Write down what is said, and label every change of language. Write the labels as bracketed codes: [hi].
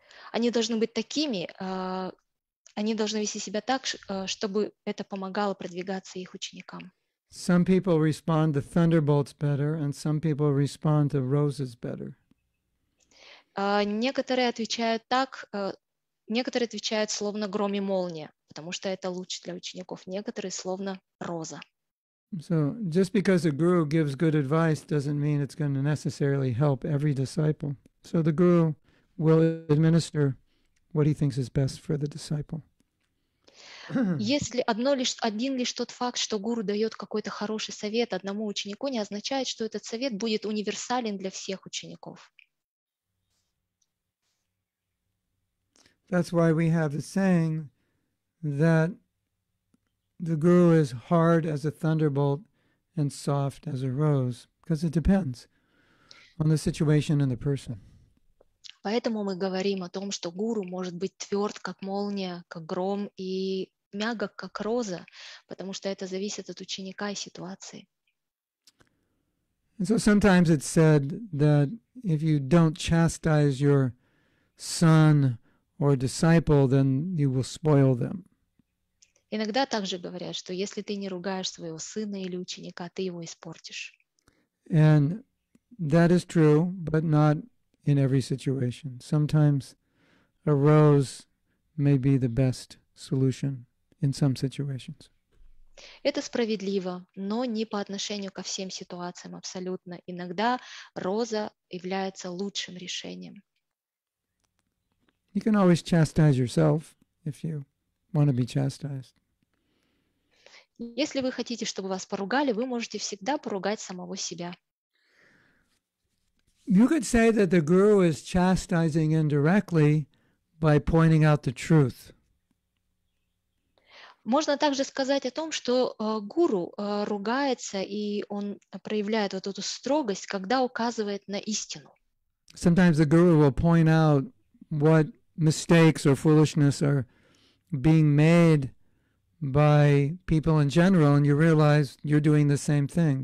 [ru] Они должны быть такими, они должны вести себя так, чтобы это помогало продвигаться их ученикам. [en] Some people respond to thunderbolts better, and some people respond to roses better. [ru] Некоторые отвечают словно гром и молния, потому что это лучше для учеников. Некоторые словно роза. [en] So just because a guru gives good advice doesn't mean it's going to necessarily help every disciple. So the guru will administer what he thinks is best for the disciple. [ru] Если один лишь тот факт, что гуру дает какой-то хороший совет одному ученику, не означает, что этот совет будет универсален для всех учеников. [en] That's why we have the saying that the guru is hard as a thunderbolt and soft as a rose, because it depends on the situation and the person. [ru] Поэтому мы говорим о том, что гуру может быть тверд, как молния, как гром, и мягок, как роза, потому что это зависит от ученика и ситуации. [en] And so sometimes it's said that if you don't chastise your son or disciple, then you will spoil them. [ru] Иногда также говорят, что если ты не ругаешь своего сына или ученика, ты его испортишь. [en] And that is true, but not in every situation. Sometimes a rose may be the best solution in some situations. [ru] Это справедливо, но не по отношению ко всем ситуациям абсолютно. Иногда роза является лучшим решением. [en] You can always chastise yourself if you want to be chastised. [ru] Если вы хотите, чтобы вас поругали, вы можете всегда поругать самого себя. [en] You could say that the guru is chastising indirectly by pointing out the truth. [ru] Можно также сказать о том, что гуру ругается, и он проявляет вот эту строгость, когда указывает на истину. [en] Sometimes the guru will point out what mistakes or foolishness are being made by people in general, and you realize you're doing the same thing.